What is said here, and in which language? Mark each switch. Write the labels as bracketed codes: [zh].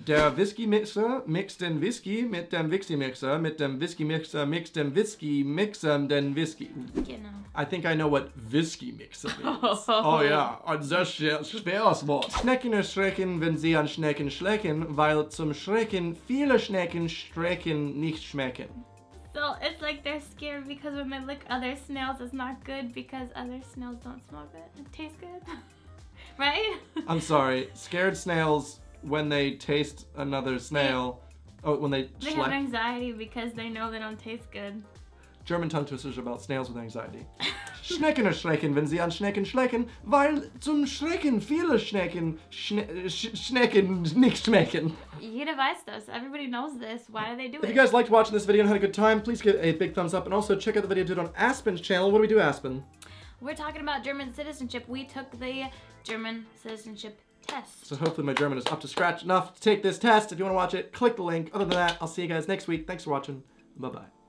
[de] Der Whisky Mixer mixed den Whisky mit dem Whisky Mixer mit dem Whisky Mixer mixed den Whisky mixen den Whisky. Genau. [en] I think I know what Whisky Mixer means. Oh yeah, [de] ein sehr schweres Wort. Schnecken erschrecken, wenn sie an Schnecken schlecken, weil zum Schrecken viele Schnecken strecken nicht schmecken. [en] So it's like they're scared because when they lick other snails, it's not good because other snails don't smell good. It tastes good. Right? I'm sorry. Scared snails, when they taste another snail, when they have anxiety because they know they don't taste good. German tongue twisters about snails with anxiety. [de] Schnecken erschrecken, wenn sie an Schnecken schlecken, weil zum Schrecken viele Schnecken Schnecken nicht schmecken. Jeder weiß das. [en] Everybody knows this. Why do they do it? If you guys liked watching this video and had a good time, please give a big thumbs up and also check out the video I did on Aspen's channel. What do we do, Aspen? We're talking about German citizenship. We took the German citizenship test. So hopefully my German is up to scratch enough to take this test. If you want to watch it, click the link. Other than that, I'll see you guys next week. Thanks for watching. Bye-bye.